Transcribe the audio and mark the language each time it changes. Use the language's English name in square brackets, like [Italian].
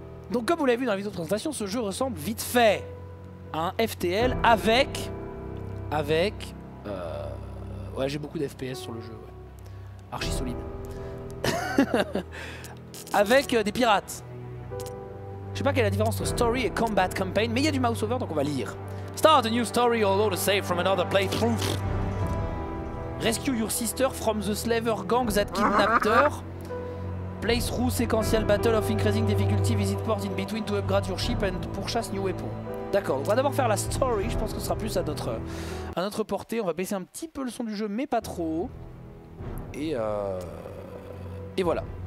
[French] Donc comme vous l'avez vu dans la vidéo de présentation, ce jeu ressemble vite fait à un FTL avec ouais, j'ai beaucoup d'FPS sur le jeu, ouais. Archi solide. Avec des pirates. Je sais pas quelle est la différence entre story et combat campaign, mais il y a du mouse over, donc on va lire. [English] Start a new story or load a save from another playthrough. Rescue your sister from the slaver gang that kidnapped her. Playthrough sequential battle of increasing difficulty. Visit ports in between to upgrade your ship and pourchasse new weapon. [French] D'accord, on va d'abord faire la story, je pense que ce sera plus à notre portée. On va baisser un petit peu le son du jeu, mais pas trop. Et voilà.